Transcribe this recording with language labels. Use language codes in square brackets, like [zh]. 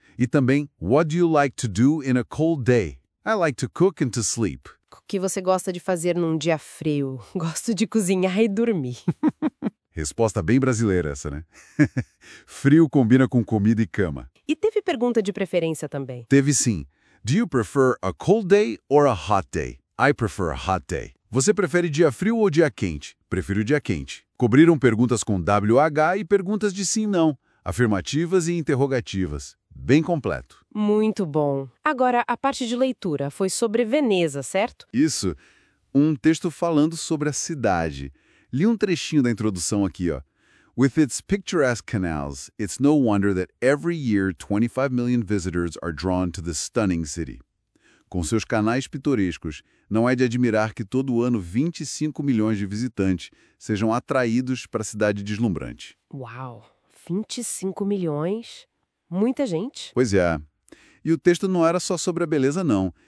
[pt] E também, [en] what do you like to do in a cold day? I like to cook and to sleep. [pt] O que você gosta de fazer num dia frio? Gosto de cozinhar e dormir. Resposta bem brasileira essa, né? Frio combina com comida e cama. E teve pergunta de preferência também? Teve sim. [en] Do you prefer a cold day or a hot day? I prefer a hot day. [pt] Você prefere dia frio ou dia quente? Prefiro dia quente. Cobriram perguntas com WH e perguntas de sim e não, afirmativas e interrogativas. Bem completo. Muito bom. Agora, a parte de leitura foi sobre Veneza, certo? Isso. Um texto falando sobre a cidade. Li um trechinho da introdução aqui, ó. [en] With its picturesque canals, it's no wonder that every year 25 million visitors are drawn to the stunning city. [pt] Com seus canais pitorescos, não é de admirar que todo ano 25 milhões de visitantes sejam atraídos para a cidade deslumbrante. Uau! 25 milhões? Muita gente? Pois é. E o texto não era só sobre a beleza, não.